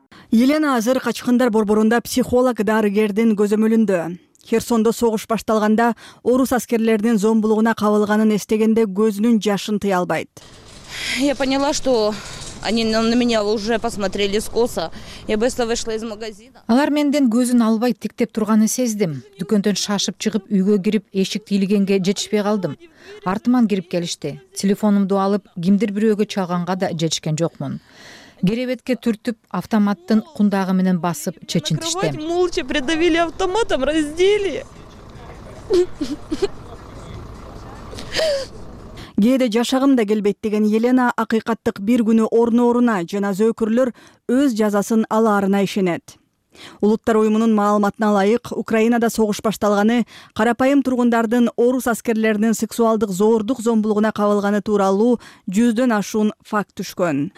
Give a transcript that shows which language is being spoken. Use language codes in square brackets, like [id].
[ky] Елена азыр качкындар борборунда психолог дарыгердин көзөмөлүндө. Херсондо согуш башталганда орус аскерлеринин зомбулугуна кабылганын эстегенде көзүнүн жашын тыя албайт. [ru] Я поняла, что они на меня уже посмотрели скоса. Я быстро вышла из магазина. [ky] Алар менден көзүн албай тиктеп турганын сездим. Дүкөндөн шашып чыгып, үйгө кирип, эшикти илгенге жетишпей калдым. Артыман кирип келишти. Телефонумду алып, кимдир бирөөгө чалганга да жетишкен жокмун. Керебетке түртүп, автоматтын кундагы менен басып чечинтиштем. [ru] Кровать молча придавили автоматом, раздели. [ky] Кээде жашагым да келбейт деген Елена акыйкаттык бир күнү орно-оруна жана зөөкүрлөр өз жазасын алаарына ишенет. Улуттар уюмунун маалыматына ылайык, Украинада согуш башталганы карапайым тургундардын орус аскерлеринин сексуалдык зордук зомбулугуна кабылганы тууралуу 100 ашуун факт түшкөн.